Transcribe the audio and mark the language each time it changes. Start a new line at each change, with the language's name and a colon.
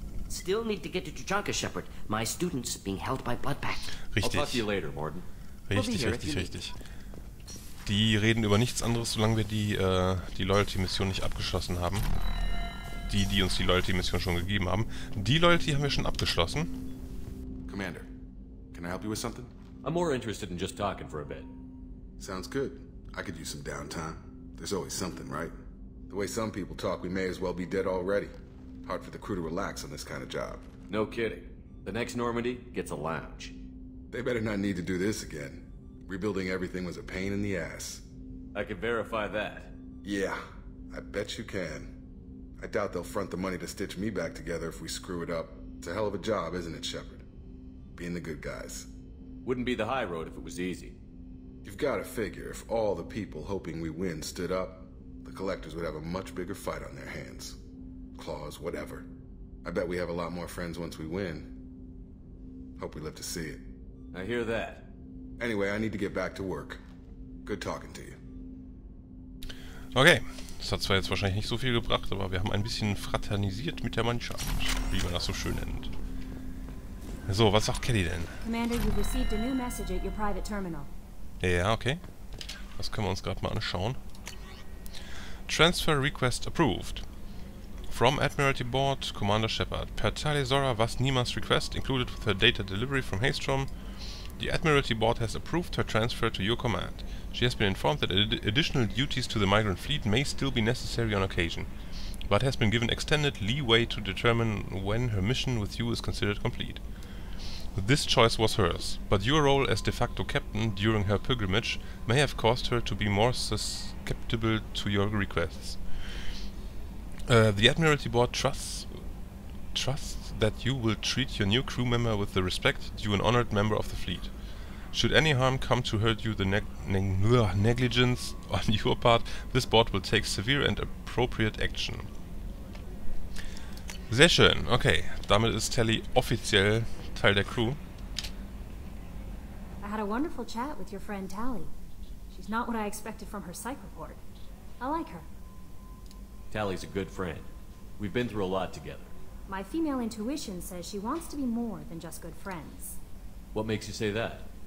English: Still need to get to Tuchanka, Shepard. My students being held by Bloodpact.
German: Richtig.
English: I'll talk to you later, Mordin.
German: Richtig, richtig, richtig. Die reden über nichts anderes, solange wir die Loyalty-Mission nicht abgeschlossen haben. Die uns die Loyalty-Mission schon gegeben haben. Die Loyalty haben wir schon abgeschlossen.
English: Commander, can I help you with something? I'm more interested in just talking for a bit. Sounds good. I could use some downtime. There's always something, right? The way some people talk, we may as well be dead already. Hard for the crew to relax on this kind of job. No kidding. The next Normandy gets a lounge. They better not need to do this again. Rebuilding everything was a pain in the ass. I can verify that. Yeah, I bet you can. I doubt they'll front the money to stitch me back together if we screw it up. It's a hell of a job, isn't it, Shepard? Being the good guys. Wouldn't be the high road if it was easy. You've got to figure, if all the people hoping we win stood up, the Collectors would have a much bigger fight on their hands. Claws, whatever. I bet we have a lot more friends once we win. Hope we live to see it. I hear that. Anyway, I need to get back to work. Good talking to you.
German: Okay, das hat zwar jetzt wahrscheinlich nicht so viel gebracht, aber wir haben ein bisschen fraternisiert mit der Mannschaft, wie man das so schön nennt. So, was sagt Kelly denn?
English: Commander, you've received a new message at your private terminal.
German: Ja, okay. Das können wir uns gerade mal anschauen.
English: Transfer request approved. From Admiralty Board, Commander Shepard. Per Tali'Zorah was Neema's request, included with her data delivery from Haystrom. The Admiralty Board has approved her transfer to your command. She has been informed that additional duties to the migrant fleet may still be necessary on occasion, but has been given extended leeway to determine when her mission with you is considered complete. This choice was hers, but your role as de facto captain during her pilgrimage may have caused her to be more susceptible to your requests. The Admiralty Board trusts that you will treat your new crew member with the respect due an honored member of the fleet. Should any harm come to hurt you, the negligence on your part, this board will take severe and appropriate action.
German: Sehr schön. Okay, damit ist Tali offiziell Teil der Crew.
English: I had a wonderful chat with your friend Tali. She's not what I expected from her psych report. I like her. Tali's a good friend. We've been through a lot together. My female intuition says she wants to be more than just good friends. What makes you say that?